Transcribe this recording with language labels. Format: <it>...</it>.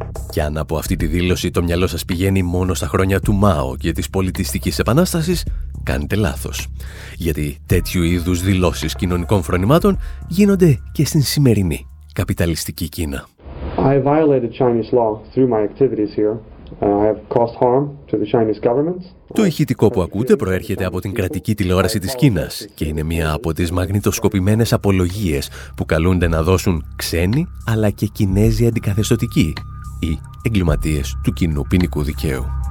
<el>Και αν από αυτή τη δήλωση το μυαλό σας πηγαίνει μόνο στα χρόνια του Μάο και της πολιτιστικής επανάστασης, κάνετε λάθος. Γιατί τέτοιου είδους δηλώσεις κοινωνικών φρονημάτων γίνονται και στην σημερινή καπιταλιστική Κίνα.</el> <en>I violated Chinese law through my activities here. I have caused harm to the Chinese government.</en> <el>Το ηχητικό που ακούτε προέρχεται από την κρατική τηλεόραση της Κίνας και είναι μία από τις μαγνητοσκοπημένες απολογίες που καλούνται να δώσουν ξένοι αλλά και Κινέζοι αντικαθεστωτικοί ή εγκληματίες του κοινού ποινικού δικαίου.</el>